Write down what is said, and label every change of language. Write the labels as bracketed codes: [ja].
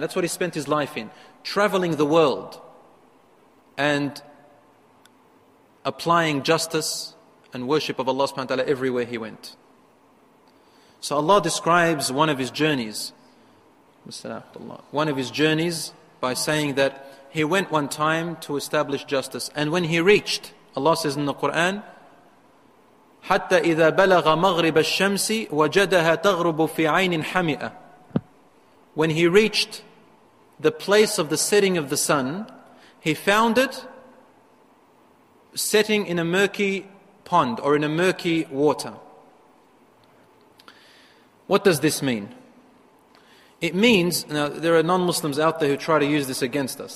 [en] That's what he spent his life in, traveling the world and applying justice and worship of Allah subhanahu wa ta'ala everywhere he went. So Allah describes one of his journeys, by saying that he went one time to establish justice. And when he reached, Allah says in the Quran, [ar] حتى إذا بلغ مغرب الشمس وجدها تغرب في عين حمئة. [en] When he reached the place of the setting of the sun, he found it setting in a murky pond or in a murky water. What does this mean? It means, now there are non-Muslims out there who try to use this against us.